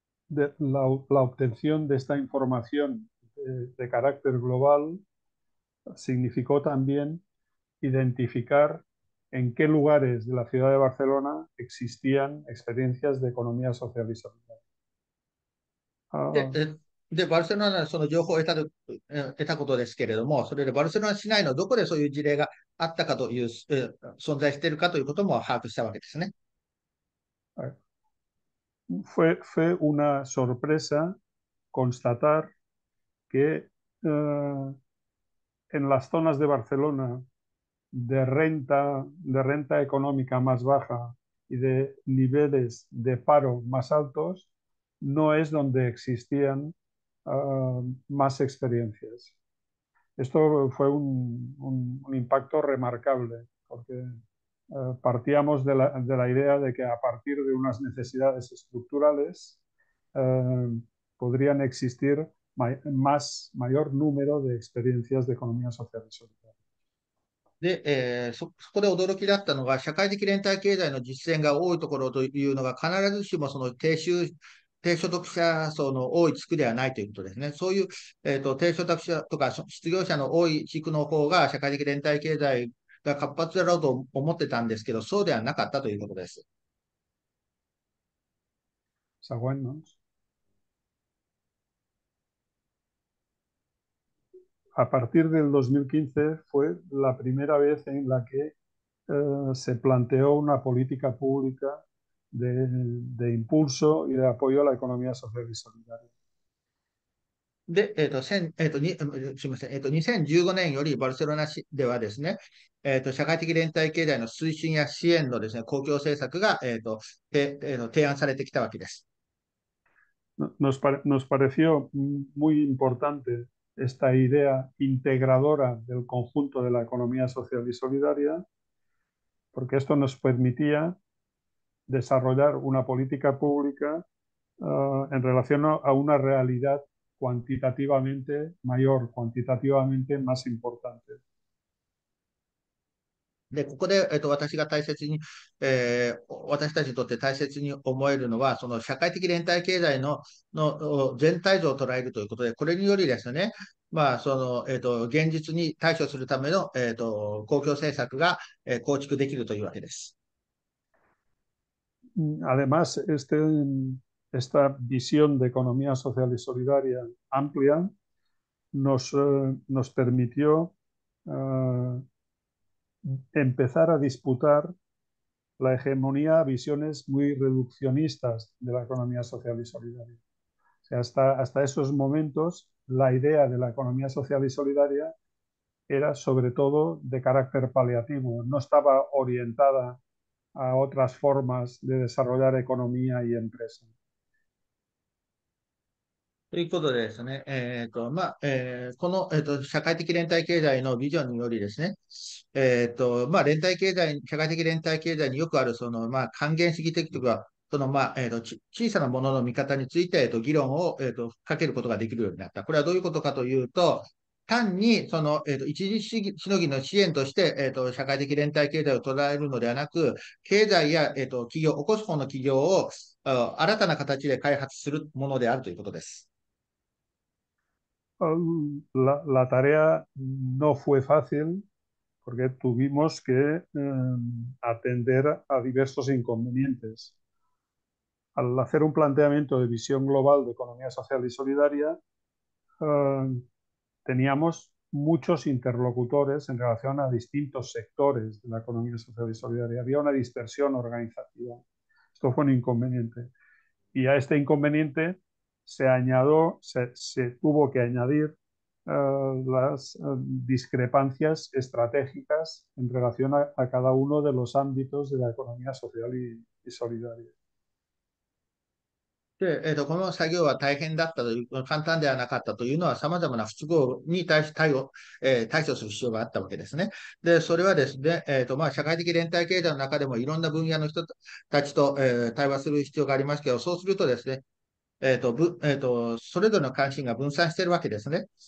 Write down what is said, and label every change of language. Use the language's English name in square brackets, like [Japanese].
[Spanish] La obtención de esta información de carácter global significó también identificar ¿En qué lugares de la ciudad de Barcelona existían experiencias de economía social y solidaria? [Japanese] で、バルセロナのその情報を得たことですけれども、それでバルセロナ市内のどこでそういう事例があったかという、存在しているかということも把握したわけですね。 [Spanish] Fue una sorpresa constatar que en las zonas de Barcelona de renta económica más baja y de niveles de paro más altos, no es donde existían más experiencias. Esto fue un impacto remarcable, porque partíamos de la idea de que a partir de unas necesidades estructurales podrían existir mayor número de experiencias de economía social y solidaria. [Japanese] で、そこで驚きだったのが、社会的連帯経済の実践が多いところというのが、必ずしもその低所得者層の多い地区ではないということですね。そういう、低所得者とか失業者の多い地区の方が、社会的連帯経済が活発だろうと思ってたんですけど、そうではなかったということです。 [Catalan] Següent, [Spanish] a partir del 2015 fue la primera vez en la que se planteó una política pública de impulso y de apoyo a la economía social y solidaria. [Japanese] で、すみません、2015年よりバルセロナ市ではですね、社会的連帯経済の推進や支援のですね、公共政策が、提案されてきたわけです。 [Spanish] Nos pareció muy importante esta idea integradora del conjunto de la economía social y solidaria, porque esto nos permitía desarrollar una política pública, en relación a una realidad cuantitativamente mayor, cuantitativamente más importante. [Japanese] で、ここで、私が大切に、私たちにとって大切に思えるのは、その社会的連帯経済の全体像を捉えるということで、これによりですね、まあ、その、現実に対処するための、公共政策が、構築できるというわけです。 [Spanish] Además, esta visión de economía social y solidaria amplia nos permitió empezar a disputar la hegemonía a visiones muy reduccionistas de la economía social y solidaria. O sea, hasta esos momentos, la idea de la economía social y solidaria era sobre todo de carácter paliativo, no estaba orientada a otras formas de desarrollar economía y empresa. [Japanese] ということでですね、この社会的連帯経済のビジョンによりですね、連帯経済、社会的連帯経済によくあるその、還元主義的とか、その、小さなものの見方について、議論を、かけることができるようになった。これはどういうことかというと、単に、その、一時しのぎの支援として、社会的連帯経済を捉えるのではなく、経済や、企業、起こす方の企業を、新たな形で開発するものであるということです。 [Spanish] La tarea no fue fácil porque tuvimos que atender a diversos inconvenientes. Al hacer un planteamiento de visión global de economía social y solidaria, teníamos muchos interlocutores en relación a distintos sectores de la economía social y solidaria. Había una dispersión organizativa. Esto fue un inconveniente. Y a este inconveniente se tuvo que añadir las discrepancias estratégicas en relación a cada uno de los ámbitos de la economía social y solidaria. [Japanese] で、この作業は大変だったという、簡単ではなかったというのは、様々な不都合に対処する必要があったわけですね。で、それはですね、社会的連帯経済の中でもいろんな分野の人たちと、対話する必要がありますけど、そうするとですね、それぞれの関心が分散しているわけですね。